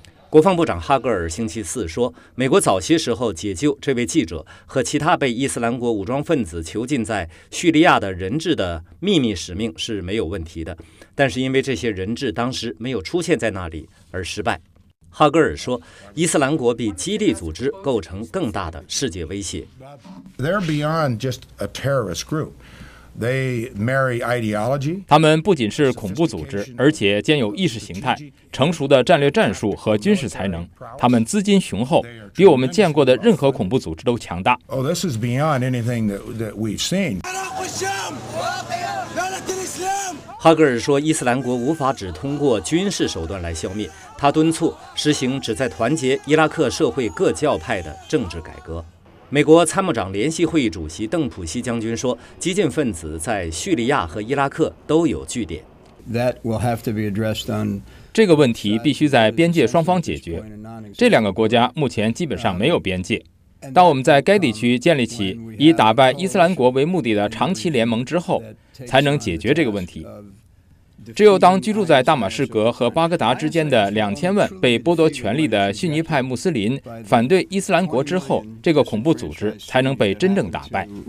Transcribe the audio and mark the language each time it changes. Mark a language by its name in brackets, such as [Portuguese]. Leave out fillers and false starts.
[Chinese] 国防部长哈格尔星期四说，美国早些时候解救这位记者和其他被伊斯兰国武装分子囚禁在叙利亚的人质的秘密使命是没有问题的，但是因为这些人质当时没有出现在那里而失败。哈格尔说，伊斯兰国比基地组织构成更大的世界威胁。 [English] They're beyond just a terrorist group. They marry ideology. [Chinese] 他们不仅是恐怖组织，而且兼有意识形态、成熟的战略战术和军事才能。他们资金雄厚，比我们见过的任何恐怖组织都强大。 [English] Oh, this is beyond anything that we've seen. Not with them. Not at [Chinese] 哈格尔说，伊斯兰国无法只通过军事手段来消灭，他敦促实行旨在团结伊拉克社会各教派的政治改革。美国参谋长联席会议主席邓普西将军说，激进分子在叙利亚和伊拉克都有据点。 [English] That will have to be addressed on... [Chinese] 这个问题必须在边界双方解决。这两个国家目前基本上没有边界。当我们在该地区建立起以打败伊斯兰国为目的的长期联盟之后，才能解决这个问题。只有当居住在大马士革和巴格达之间的20,000被剥夺权力的逊尼派穆斯林反对伊斯兰国之后，这个恐怖组织才能被真正打败。